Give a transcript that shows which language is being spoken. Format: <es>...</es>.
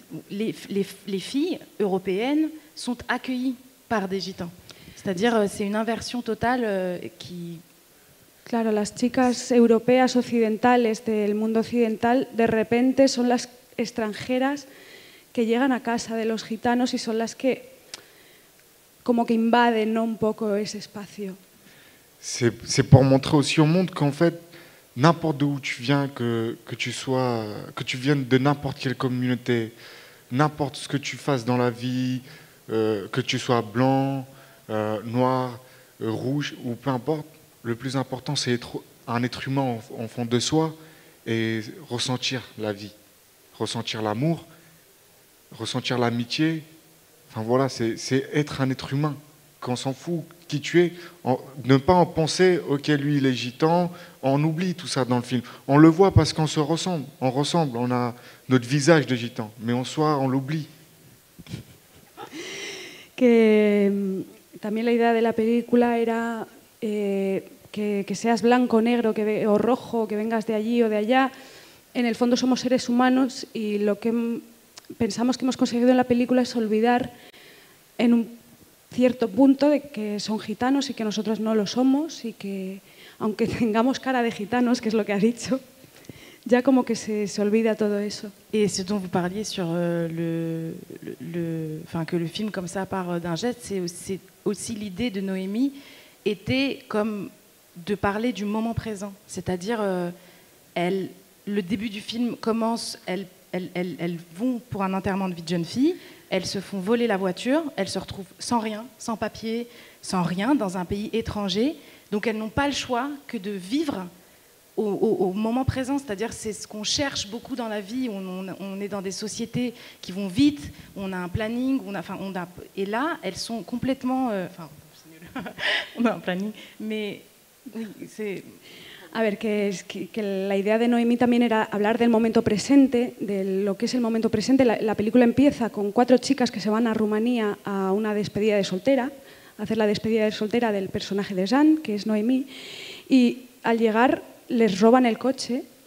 <fr>Les filles européennes sont accueillies par des gitans. C'est-à-dire c'est une inversion totale qui</fr> <es>claro, las chicas europeas occidentales del mundo occidental de repente son las extranjeras que llegan a casa de los gitanos y son las que como que invade, ¿no?, un poco ese espacio.</es> <fr>C'est pour montrer aussi au monde qu'en fait n'importe d'où tu viens, que tu viennes de n'importe quelle communauté, n'importe ce que tu fasses dans la vie, que tu sois blanc, noir, rouge ou peu importe, le plus important c'est être un être humain en fond de soi et ressentir la vie, ressentir l'amour, ressentir l'amitié. Voilà, c'est être un être humain, qu'on s'en fout qui tu es, ne pas en penser, ok, lui il est gitan, on oublie tout ça dans le film. On le voit parce qu'on se ressemble, on a notre visage de gitan, mais en soi on l'oublie.</fr> <es>Que también la idea de la película era que seas blanco, negro, o rojo, que vengas de allí o de allá, en el fondo somos seres humanos y lo que pensamos que hemos conseguido en la película es olvidar en un cierto punto de que son gitanos y que nosotros no lo somos y que aunque tengamos cara de gitanos, que es lo que ha dicho, ya como que se olvida todo eso.</es> <fr>Y ce dont vous parliez sur le enfin que le film comme ça part d'un geste, c'est aussi l'idée de Noemí était comme de parler du moment présent, c'est-à-dire elle le début du film commence elles vont pour un enterrement de vie de jeune fille, elles se font voler la voiture, elles se retrouvent sans rien, sans papier, sans rien, dans un pays étranger. Donc elles n'ont pas le choix que de vivre au moment présent, c'est-à-dire c'est ce qu'on cherche beaucoup dans la vie, on est dans des sociétés qui vont vite, on a un planning, et là, elles sont complètement... Enfin, c'est nul, on a un planning, mais oui, c'est...</fr> <es>A ver, que la idea de Noemí también era hablar del momento presente, de lo que es el momento presente. La película empieza con 4 chicas que se van a Rumanía a una despedida de soltera, a hacer la despedida de soltera del personaje de Jean, que es Noemí, y al llegar les roban el coche</es>